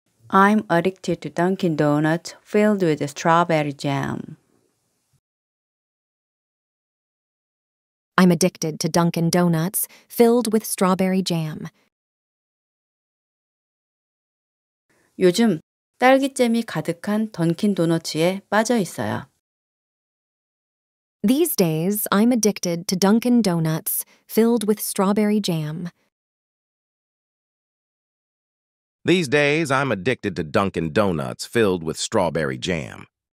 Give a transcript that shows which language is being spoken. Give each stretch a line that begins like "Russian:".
English: I'm addicted to Dunkin' Donuts filled with strawberry jam. I'm addicted to Dunkin' Donuts filled with strawberry jam.
Korean: 요즘 딸기잼이 가득한 던킨 도너츠에 빠져 있어요.
English: These days, I'm addicted to Dunkin' Donuts filled with strawberry jam. These days, I'm addicted to Dunkin' Donuts filled with strawberry jam.